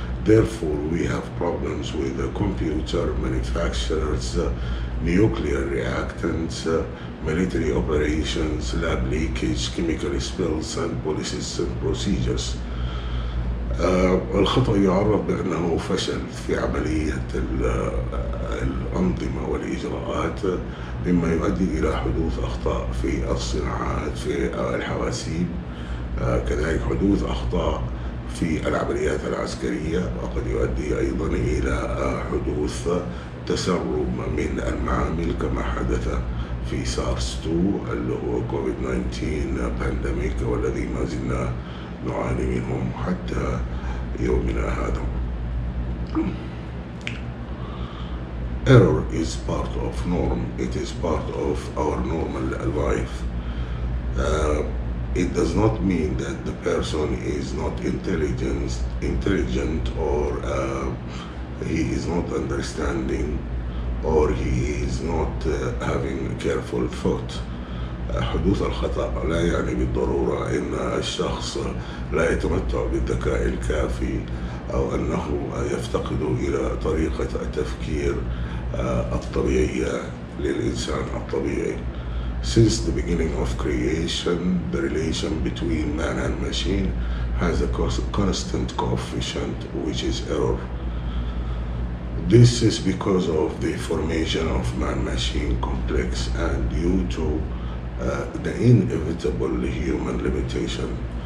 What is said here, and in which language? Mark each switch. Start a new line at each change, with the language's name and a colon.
English: Therefore, we have problems with the computer manufacturers, nuclear reactants, military operations, lab leakage, chemical spills, and policies and procedures.
Arabic: الخطأ يعرف بأنه فشل في عملية الأنظمة والإجراءات، مما يؤدي إلى حدوث أخطاء في الصناعات، في الحواسيب، كذلك حدوث أخطاء في العمليات العسكرية، وقد يؤدي أيضا إلى حدوث تسرب من المعامل كما حدث في سارس 2 اللي هو COVID-19 pandemic، والذي ما زلنا نعاني منهم حتى يومنا هذا.
English: Error is part of norm. It is part of our normal life. It does not mean that the person is not intelligent or he is not understanding or he is not having careful thought.
Arabic: حدوث الخطأ لا يعني بالضرورة إن الشخص لا يتمتع بالذكاء الكافي أو أنه يفتقد إلى طريقة التفكير الطبيعية للإنسان الطبيعي.
English: Since the beginning of creation, the relation between man and machine has a constant coefficient, which is error. This is because of the formation of man-machine complex and due to the inevitable human limitation.